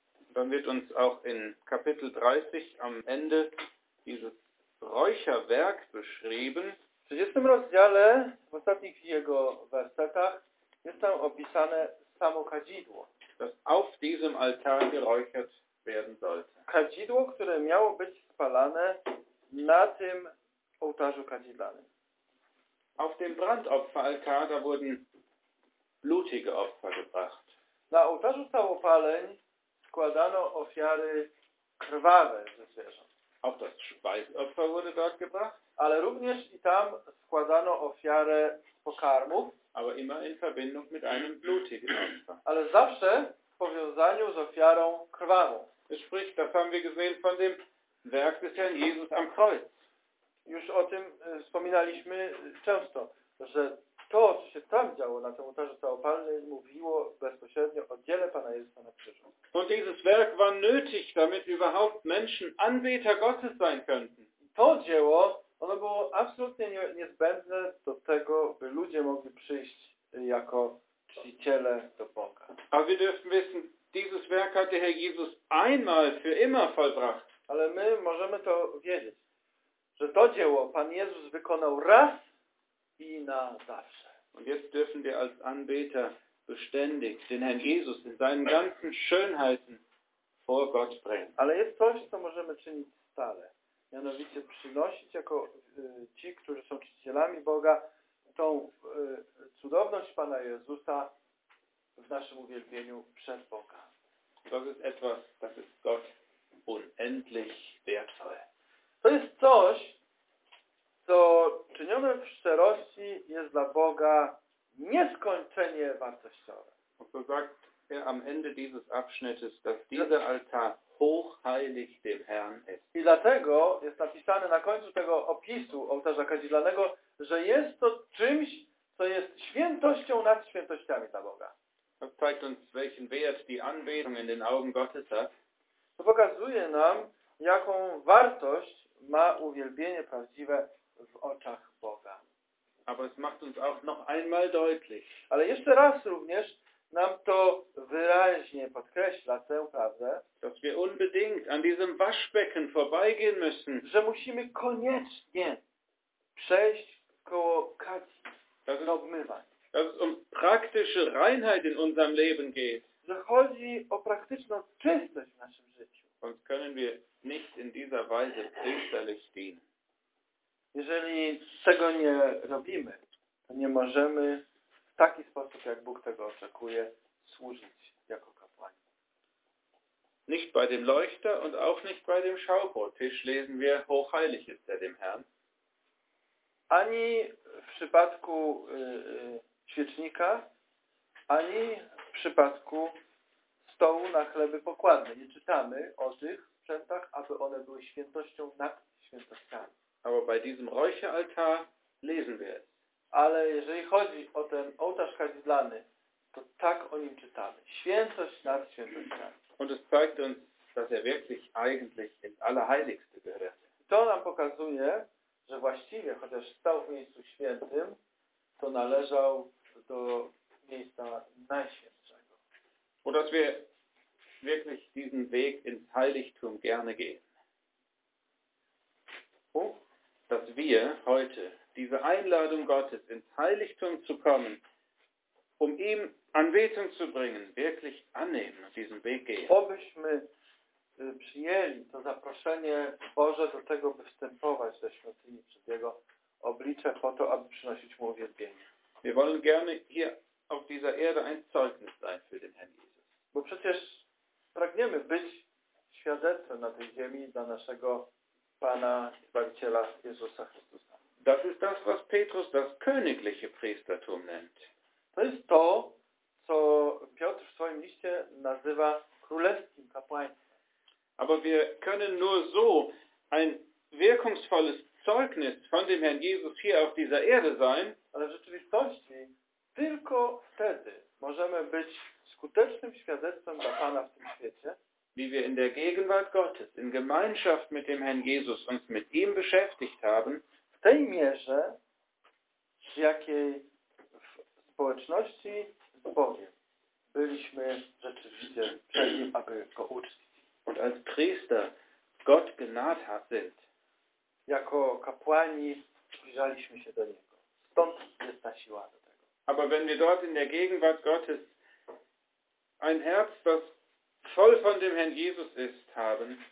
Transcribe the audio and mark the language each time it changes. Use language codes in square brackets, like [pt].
[de] Dann wird uns auch in Kapitel 30 am Ende dieses Räucherwerk beschrieben. [pl] W 30 rozdziale, w ostatnich jego wersetach, jest tam opisane samo kadzidło. [de] Das auf diesem Altar geräuchert werden sollte. [pl] Kadzidło, które miało być spalane na tym ołtarzu kadzidlanym. [de] Auf dem Brandopferaltar, da wurden blutige Opfer gebracht. [pl] Na ołtarzu całopaleń składano ofiary krwawe ze zwierząt. [de] Auch das Speisopfer wurde dort gebracht. [pl] Ale również i tam składano ofiarę pokarmów. [de] Aber immer in Verbindung mit einem blutigen Opfer. [pl] Ale zawsze w powiązaniu z ofiarą krwawą. [de] Sprich, das haben wir gesehen von dem Werk des Herrn Jesus am Kreuz. [pl] Już o tym wspominaliśmy często, że to, co się tam działo na tym ołtarzu całopalnym, mówiło bezpośrednio o dziele Pana Jezusa na krzyżu. [de] Und dieses Werk war nötig, damit überhaupt Menschen Anbeter Gottes sein könnten. [pl] To dzieło, ono było absolutnie niezbędne do tego, by ludzie mogli przyjść jako czciciele do Boga. [de] Aber wir dürfen wissen, dieses Werk hat der Herr Jesus einmal für immer vollbracht. [pl] Ale my możemy to wiedzieć, że to dzieło Pan Jezus wykonał raz i na zawsze. [de] Und jetzt dürfen wir als Anbeter beständig den Herrn Jesus in seinen ganzen Schönheiten vor Gott bringen. [pl] Ale jest coś, co możemy czynić stale. Mianowicie przynosić jako ci, którzy są czcicielami Boga, tą cudowność Pana Jezusa w naszym uwielbieniu przed Boga. To jest [de] etwas, das ist Gott unendlich wertvoll. [pl] To jest coś, co czynione w szczerości jest dla Boga nieskończenie wartościowe. [de] Und so sagt er am Ende dieses Abschnittes, dass dieser Altar hochheilig dem Herrn ist. [pl] I dlatego jest napisane na końcu tego opisu ołtarza kadzidlanego, że jest to czymś, co jest świętością nad świętościami dla Boga. [de] Das zeigt uns, welchen Wert die Anbetung in den Augen Gottes hat. [pl] To pokazuje nam, jaką wartość ma uwielbienie prawdziwe w oczach Boga. [de] Aber es macht uns auch noch einmal deutlich. [pl] Ale jeszcze raz również nam to wyraźnie podkreśla tę prawdę, [de] dass wir unbedingt an diesem Waschbecken vorbeigehen müssen. [pl] Że musimy koniecznie przejść koło kadzi na obmywanie. [de] Dass es um praktische Reinheit in unserem Leben geht. [pl] Że chodzi o praktyczną czystość w naszym życiu. [de] Sonst können wir nicht in dieser Weise priesterlich dienen. [pl] Jeżeli tego nie robimy, to nie możemy w taki sposób, jak Bóg tego oczekuje, służyć jako kapłani. [de] Nicht bei dem Leuchter und auch nicht bei dem Schaubrottisch lesen wir, hochheilig ist er dem Herrn. [pl] Ani w przypadku świecznika, ani w przypadku stołu na chleby pokładne. Nie czytamy o tych sprzętach, aby one były świętością nad świętościami. [de] Aber bei diesem Räucheraltar lesen wir es. [pl] Ale jeżeli chodzi o ten ołtarz kadzidlany, to tak o nim czytamy. Świętość nad świętościami. [de] Und es zeigt uns, dass er wirklich eigentlich ins Allerheiligste gehört. [pl] To nam pokazuje, że właściwie, chociaż stał w miejscu świętym, to należał do miejsca najświętszego. [de] Und dass wir wirklich diesen Weg ins Heiligtum gerne gehen. Dass wir heute diese Einladung Gottes ins Heiligtum zu kommen, um ihm Anbetung zu bringen, wirklich annehmen und diesen Weg gehen. [pl] Obyśmy przyjęli to zaproszenie Boże do tego, by wstępować ze świątyni przed Jego oblicze po to, aby przynosić Mu uwielbienie. [de] Wir wollen gerne hier auf dieser Erde ein Zeugnis sein für den Herrn Jesus. [pl] Bo przecież pragniemy być świadectwem na tej ziemi dla naszego Pana Zbawiciela Jezusa Chrystusa. [de] Das ist das, was Petrus das königliche Priestertum nennt. [pl] To jest to, co Piotr w swoim liście nazywa królewskim kapłaństwem. [de] Aber wir können nur so ein wirkungsvolles Zeugnis von dem Herrn Jesus hier auf dieser Erde sein. [pl] Ale w rzeczywistości tylko wtedy możemy być skutecznym świadectwem dla Pana w tym świecie. [de] Wie wir in der Gegenwart Gottes, in Gemeinschaft mit dem Herrn Jesus uns mit ihm beschäftigt haben, [pl] w tej mierze, w jakiej w społeczności z Bogiem byliśmy rzeczywiście przed nim, aby go uczcić. [de] Und als Priester Gott genaht sind, [pl] jako kapłani zbliżaliśmy się do Niego. Stąd jest ta siła do tego. [de] Aber wenn wir dort in der Gegenwart Gottes ein Herz, das voll von dem Herrn Jesus ist, haben.